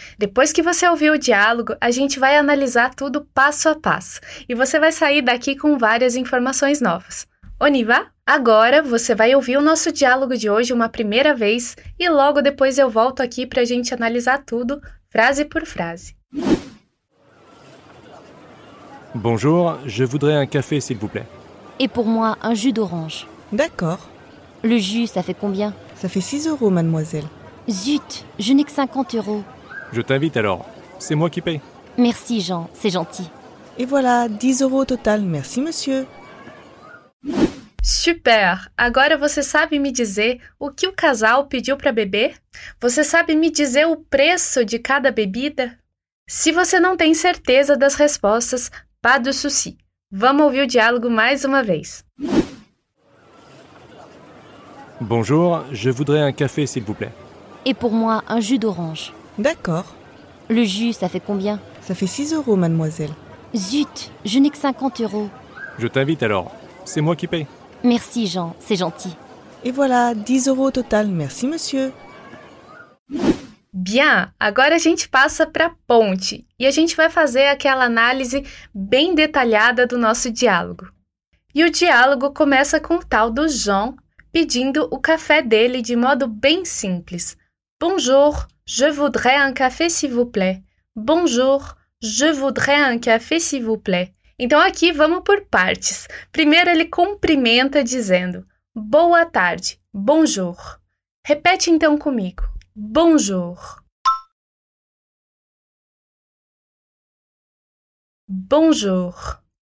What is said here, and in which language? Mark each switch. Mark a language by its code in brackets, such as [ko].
[pt] Depois que você ouvir o diálogo, a gente vai analisar tudo passo a passo e você vai sair daqui com várias informações novas. [fr] On y va? [pt] Agora você vai ouvir o nosso diálogo de hoje uma primeira vez e logo depois eu volto aqui para a gente analisar tudo, frase por frase. [fr] Bonjour, je voudrais un café, s'il vous plaît. Et pour moi, un jus d'orange. D'accord. Le jus, ça fait combien? Ça fait 6 euros, mademoiselle. Zut, je n'ai que 50 euros. Je t'invite alors, c'est moi qui paye. Merci Jean, c'est gentil. Et voilà, 10 euros au total, merci monsieur. Super! [pt] Agora você sabe me dizer o que o casal pediu para beber? Você sabe me dizer o preço de cada bebida? Se você não tem certeza das respostas, [fr] pas de souci. [pt] Vamos ouvir o diálogo mais uma vez. [fr] Bonjour, je voudrais un café, s'il vous plaît. Et pour moi, un jus d'orange. D'accord. Le jus, ça fait combien? Ça fait 6 euros, mademoiselle. Zut, je n'ai que 50 euros. Je t'invite alors. C'est moi qui paye. Merci, Jean. C'est gentil. Et voilà, 10 euros au total. Merci, monsieur. [pt] Bien, agora a gente passa para a ponte. E a gente vai fazer aquela análise bem detalhada do nosso diálogo. E o diálogo começa com o tal do Jean pedindo o café dele de modo bem simples. [fr] Bonjour, je voudrais un café, s'il vous plaît. Bonjour, je voudrais un café, s'il vous plaît. [pt] Então aqui vamos por partes. Primeiro ele cumprimenta dizendo boa tarde, bonjour. Repete então comigo, bonjour. [fr] Bonjour.